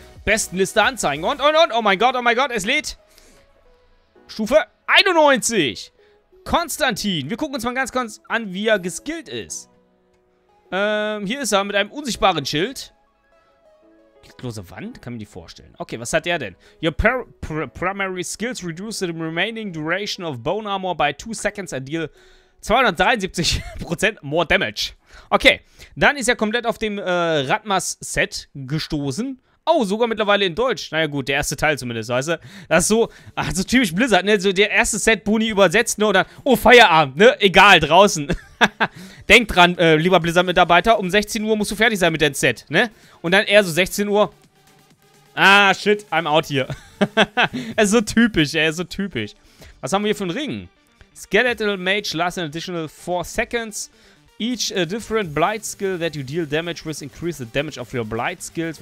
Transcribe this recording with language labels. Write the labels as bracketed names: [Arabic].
[German] Bestenliste anzeigen. Und. Oh mein Gott, es lädt. Stufe 91. Konstantin. Wir gucken uns mal ganz kurz an, wie er geskillt ist. Hier ist er mit einem unsichtbaren Schild. Lose Wand? Kann man die vorstellen. Okay, was hat er denn? [English] Your primary skills reduce the remaining duration of bone armor by 2 seconds and deal 273% more damage. [German] Okay, dann ist er komplett auf dem Ratmas-Set gestoßen. Oh, sogar mittlerweile in Deutsch. Naja gut, der erste Teil zumindest, weißt du? Das ist so, also typisch Blizzard, ne? So der erste Set-Boni übersetzt, ne? Und dann, oh, Feierabend, ne? Egal, draußen. Denk dran, lieber Blizzard-Mitarbeiter, um 16 Uhr musst du fertig sein mit deinem Set, ne? Und dann eher so 16 Uhr. [English] Ah, shit, I'm out here. [German] Es ist so typisch, ey, so typisch. Was haben wir hier für einen Ring? [English] Skeletal Mage lasts an additional 4 seconds. Each different Blight Skill that you deal damage with increase the damage of your Blight Skills.